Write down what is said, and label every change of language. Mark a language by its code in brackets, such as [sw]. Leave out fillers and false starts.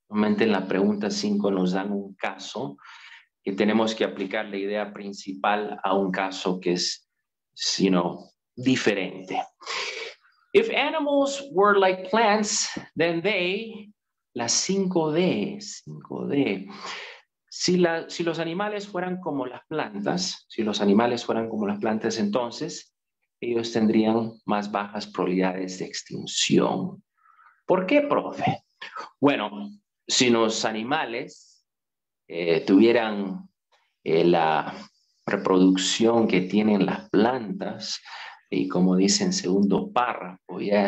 [es] Normalmente en la pregunta 5 nos dan un caso que tenemos que aplicar la idea principal a un caso que es, diferente. [en] If animals were like plants, then they, [es] la 5D, 5D. Si los animales fueran como las plantas, si los animales fueran como las plantas, entonces ellos tendrían más bajas probabilidades de extinción. ¿Por qué, profe? Bueno, si los animales tuvieran la reproducción que tienen las plantas, y como dice en segundo párrafo,